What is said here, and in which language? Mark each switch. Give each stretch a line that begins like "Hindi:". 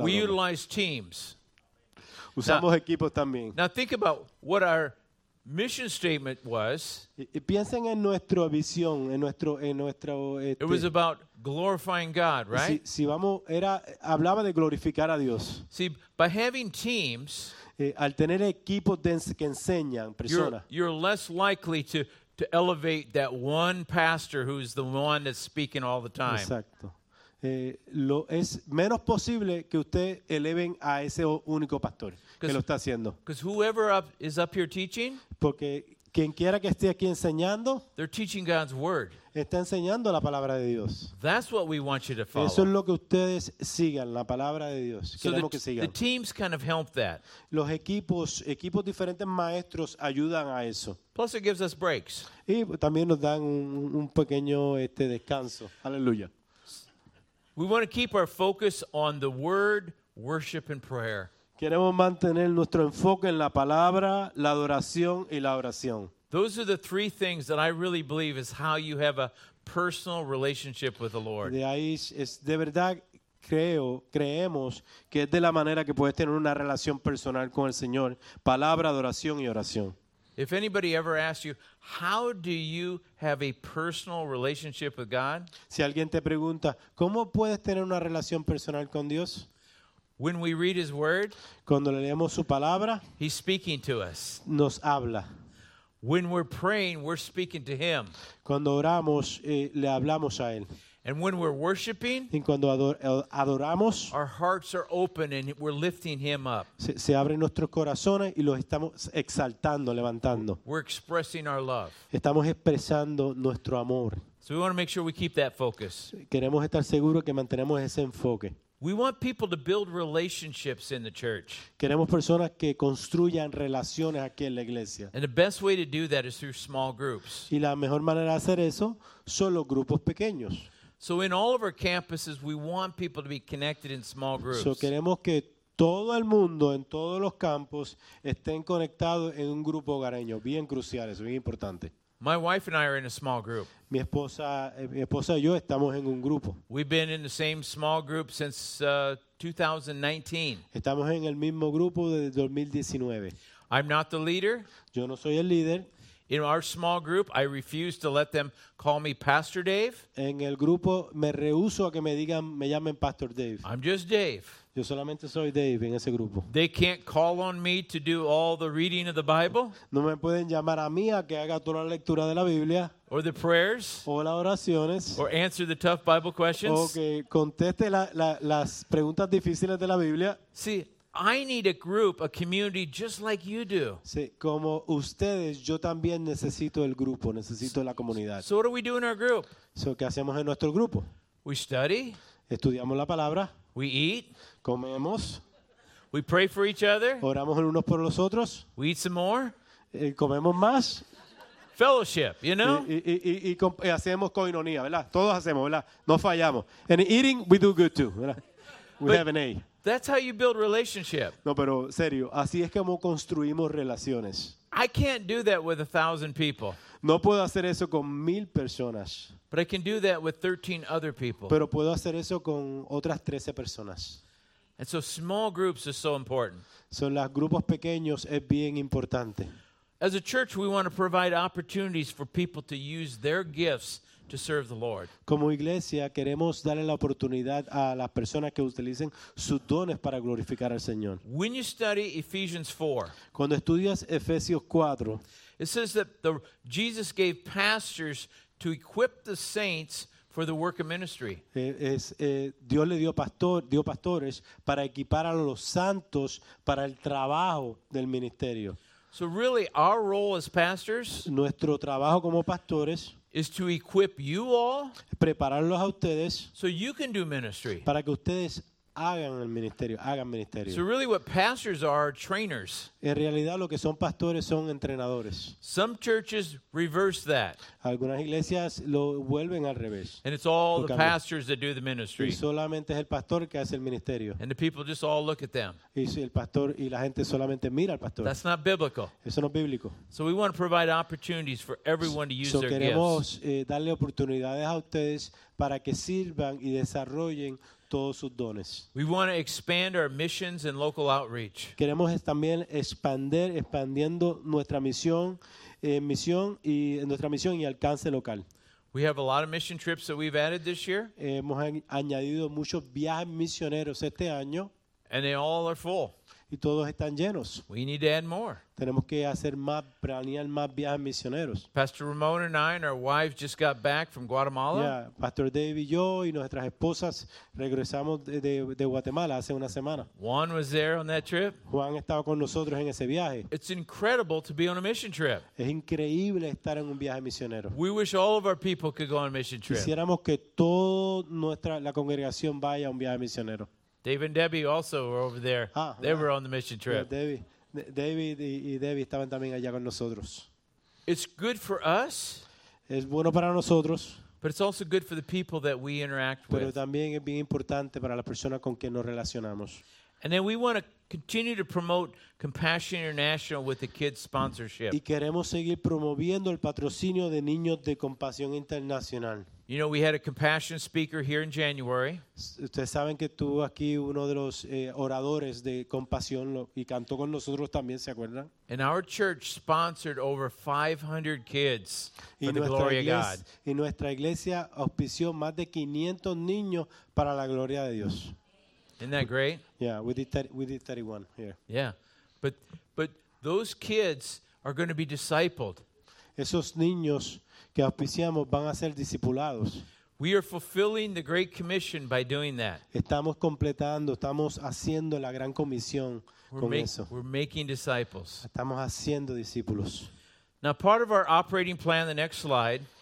English: We utilize teams.
Spanish: Usamos equipos también.
English: Now think about what our mission statement was.
Spanish: Y piensen en nuestra visión, en nuestro.
English: It was about glorifying God, right?
Spanish: Hablaba de glorificar a Dios.
English: See, by having teams.
Spanish: Al tener equipos que enseñan personas,
English: you're less likely to elevate that one pastor who's the one that's speaking all the time.
Spanish: Exacto. Es menos posible que usted eleven a ese único pastor que lo está haciendo.
English: Because whoever is up here teaching,
Spanish: porque Quien quiera que esté aquí enseñando,
English: they're teaching God's word.
Spanish: Está enseñando la palabra de Dios.
English: That's what we want you to follow.
Spanish: Eso es lo que ustedes sigan, la palabra de Dios. Queremos que sigan.
English: The teams kind of help that.
Spanish: Los equipos diferentes maestros ayudan a eso.
English: Plus it gives us breaks.
Spanish: Y también nos dan un pequeño descanso. Aleluya.
English: We want to keep our focus on the word, worship and prayer.
Spanish: Queremos mantener nuestro enfoque en la palabra, la adoración y la oración.
English: Those are the three things that I really believe is how you have a personal relationship with the Lord.
Spanish: De ahí es de verdad creemos que es de la manera que puedes tener una relación personal con el Señor, palabra, adoración y oración.
English: If anybody ever asks you, how do you have a personal relationship with God?
Spanish: Si alguien te pregunta, ¿cómo puedes tener una relación personal con Dios?
English: When we read his word,
Spanish: cuando leemos su palabra,
English: he's speaking to us.
Spanish: Nos habla.
English: When we're praying, we're speaking to him.
Spanish: Cuando oramos, le hablamos a él.
English: And when we're worshiping,
Spanish: y cuando adoramos,
English: our hearts are open and we're lifting him up.
Spanish: Se abren nuestros corazones y los estamos exaltando, levantando.
English: We're expressing our love.
Spanish: Estamos expresando nuestro amor.
English: So we want to make sure we keep that focus.
Spanish: Queremos estar seguros que mantenemos ese enfoque.
English: We want people to build relationships in the church.
Spanish: Queremos personas que construyan relaciones aquí en la iglesia.
English: And the best way to do that is through small groups.
Spanish: Y la mejor manera de hacer eso son los grupos pequeños.
English: So in all of our campuses, we want people to be connected in small groups.
Spanish: So queremos que todo el mundo en todos los campos estén conectados en un grupo hogareño. Bien crucial, eso es bien importante.
English: My wife and I are in a small group.
Spanish: Mi esposa y yo estamos en un grupo.
English: We've been in the same small group since 2019.
Spanish: Estamos en el mismo grupo desde 2019.
English: I'm not the leader.
Spanish: Yo no soy el líder.
English: In our small group, I refuse to let them call me Pastor Dave.
Spanish: En el grupo me rehúso a que me llamen Pastor Dave.
English: I'm just Dave.
Spanish: Yo solamente soy Dave en ese grupo.
English: They can't call on me to do all the reading of the Bible.
Spanish: No me pueden llamar a mí a que haga toda la lectura de la Biblia.
English: Or the prayers.
Spanish: O las oraciones.
English: Or answer the tough Bible questions.
Spanish: O que conteste las preguntas difíciles de la Biblia. Sí.
English: I need a group, a community, just like you do.
Spanish: Sí, como ustedes, yo también necesito el grupo, necesito la comunidad.
English: So what do we do in our group?
Spanish: So, ¿qué hacemos en nuestro grupo?
English: We study.
Spanish: Estudiamos la palabra.
English: We eat.
Spanish: Comemos.
English: We pray for each other.
Spanish: Oramos unos por los otros.
English: We eat some more.
Spanish: Comemos más.
English: Fellowship, you know?
Spanish: Y hacemos coinonía, ¿verdad? Todos hacemos, ¿verdad? No fallamos.
English: And eating, we do good too,
Spanish: ¿verdad?
English: We have an A. That's how you build relationship.
Spanish: No, pero serio, así es como construimos relaciones.
English: I can't do that with 1,000 people.
Spanish: No puedo hacer eso con 1,000 personas.
English: But I can do that with 13 other people.
Spanish: Pero puedo hacer eso con otras 13 personas.
English: And so small groups are so important.
Spanish: Son los grupos pequeños es bien importante.
English: As a church, we want to provide opportunities for people to use their gifts to serve the Lord.
Spanish: Como iglesia queremos darle la oportunidad a las personas que utilicen sus dones para glorificar al Señor.
English: When you study Ephesians 4,
Spanish: cuando estudias Efesios 4,
English: it says that Jesus gave pastors to equip the saints for the work of ministry.
Spanish: Dios le dio pastores para equipar a los santos para el trabajo del ministerio.
English: So really our role as pastors,
Spanish: nuestro trabajo como pastores,
English: is to equip you all,
Spanish: prepararlos a ustedes,
English: so you can do ministry,
Spanish: para que ustedes hagan ministerio.
English: So really what pastors are trainers.
Spanish: En realidad lo que son pastores son entrenadores.
English: Some churches reverse that.
Spanish: Algunas iglesias lo vuelven al revés.
English: And it's all the pastors that do the ministry.
Spanish: Y solamente es el pastor que hace el ministerio.
English: And the people just all look at them.
Spanish: Y el pastor y la gente solamente mira al pastor.
English: That's not biblical.
Spanish: Eso no es bíblico.
English: So we want to provide opportunities for everyone to use their gifts.
Spanish: Queremos darle oportunidades a ustedes para que sirvan y desarrollen todos sus dones.
English: We want to expand our missions and local outreach.
Spanish: Queremos también expandiendo nuestra misión y alcance local.
English: We have a lot of mission trips that we've added this year.
Spanish: Hemos añadido muchos viajes misioneros este año.
English: And they all are full.
Spanish: Y todos están llenos.
English: We need to add more.
Spanish: Tenemos que hacer más, planear más viajes misioneros.
English: Pastor Ramon and I and our wife just got back from Guatemala.
Spanish: Yeah, Pastor Dave y yo y nuestras esposas regresamos de Guatemala hace una semana.
English: Juan was there on that trip.
Spanish: Juan estaba con nosotros en ese viaje.
English: It's incredible to be on a mission trip.
Spanish: Es increíble estar en un viaje misionero.
English: We wish all of our people could go on a mission trip.
Spanish: Quisiéramos que toda nuestra la congregación vaya a un viaje misionero.
English: Dave and Debbie also were over there. Ah, they were on the mission trip.
Spanish: Yeah, David y Debbie estaban también allá con nosotros.
English: It's good for us.
Spanish: Es bueno para nosotros.
English: But it's also good for the people that we interact
Spanish: pero
English: with.
Spanish: Pero también es bien importante para la persona con quien nos relacionamos.
English: And then we want to continue to promote Compassion International with the kids sponsorship.
Spanish: Y queremos seguir promoviendo el patrocinio de niños de Compasión Internacional.
English: You know, we had a compassion speaker here in January.
Spanish: Ustedes saben que tuvo aquí uno de los oradores de compasión y cantó con nosotros también, ¿se acuerdan?
English: And our church sponsored over 500 kids for the glory of God.
Spanish: Y nuestra iglesia auspició más de 500 niños para la gloria de Dios.
English: Isn't that great? Yeah, we did 31 here. Yeah, but those kids are going to be discipled.
Spanish: Esos niños que auspiciamos van a ser discipulados.
English: We are fulfilling the Great Commission by doing that.
Spanish: Estamos completando, estamos haciendo la gran comisión con eso.
English: We're making disciples.
Spanish: Estamos haciendo discípulos.
English: Now, part of our operating plan, the next slide.